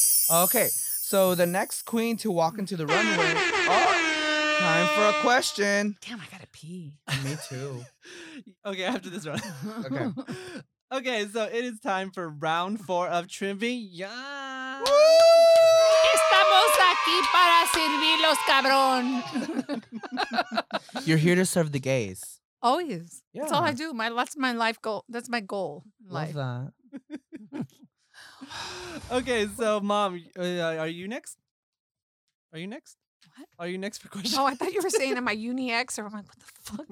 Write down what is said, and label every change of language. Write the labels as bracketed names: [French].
[English] Okay, so the next queen to walk into the runway. Oh, time for a question. Damn, I gotta pee. Me too. Okay, after this run. Okay. Okay, so it is time for round 4 of trivia. [Spanish] Estamos aquí para servir los cabrón. [English] You're here to serve the gays. Always. Yeah. That's all I do. That's my life goal. That's my goal. Love that. Okay, so mom, are you next? Are you next? What? Are you next for questions? Oh, I thought you were saying am I uni X, or I'm like, what the fuck?